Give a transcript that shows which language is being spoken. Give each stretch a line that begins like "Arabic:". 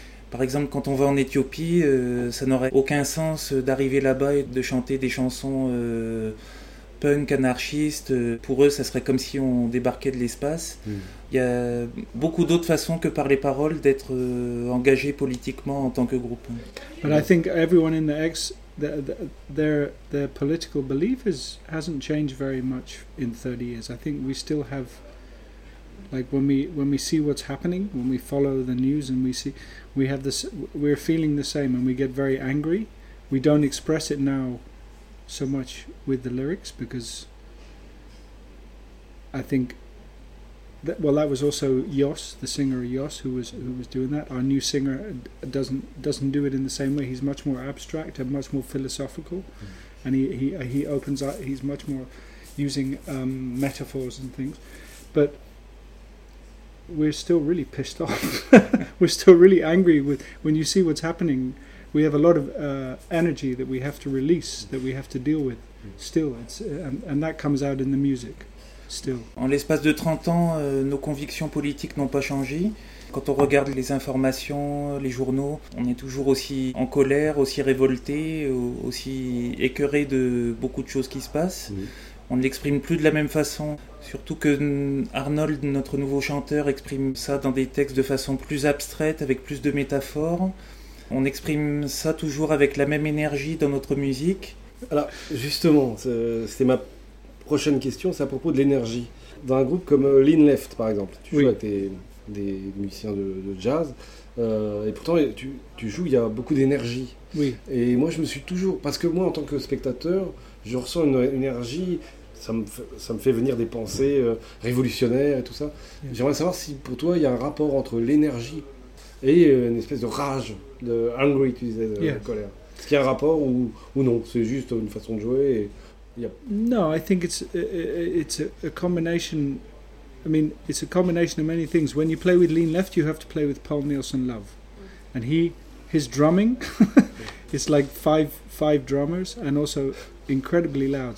French: Par exemple, quand on va en Éthiopie, ça n'aurait aucun sens d'arriver là-bas et de chanter des chansons punk, anarchiste, pour eux, ça serait comme si on débarquait de l'espace. Mmh. Il y a beaucoup d'autres façons que par les paroles d'être engagé politiquement en tant que groupe.
English: But I think everyone in the X, their political belief hasn't changed very much in 30 years. I think we still have, like when we see what's happening, when we follow the news and we're feeling the same and we get very angry. We don't express it now so much with the lyrics, because I think that, well, that was also Yoss, the singer Yoss, who was doing that. Our new singer doesn't do it in the same way. He's much more abstract and much more philosophical, mm-hmm. and he opens up. He's much more using metaphors and things, but we're still really pissed off. We're still really angry with, when you see what's happening. We have a lot of energy that we have to release, that we have to deal with. Still, and that comes out in the music. Still.
French: En l'espace de 30 ans, nos convictions politiques n'ont pas changé. Quand on regarde les informations, les journaux, on est toujours aussi en colère, aussi révolté, aussi écœuré de beaucoup de choses qui se passent. Mmh. On ne l'exprime plus de la même façon. Surtout que Arnold, notre nouveau chanteur, exprime ça dans des textes de façon plus abstraite, avec plus de métaphores. On exprime ça toujours avec la même énergie dans notre musique, Alors, justement, c'était ma prochaine question, c'est à propos de l'énergie. Dans un groupe comme Lean Left, par exemple, tu joues avec des musiciens de jazz, et pourtant, tu joues, il y a beaucoup d'énergie. Oui. Et moi, je me suis toujours... Parce que moi, en tant que spectateur, je ressens une énergie, ça me fait venir des pensées révolutionnaires et tout ça. Oui. J'aimerais savoir si, pour toi, il y a un rapport entre l'énergie et une espèce de rage, de angry, tu disais, de colère. Est-ce qu'il y a un rapport ou non ? C'est juste une façon de jouer et...
English: No, I think it's a combination. I mean, it's a combination of many things. When you play with Lean Left, you have to play with Paul Nielsen Love, and his drumming is like five drummers, and also incredibly loud.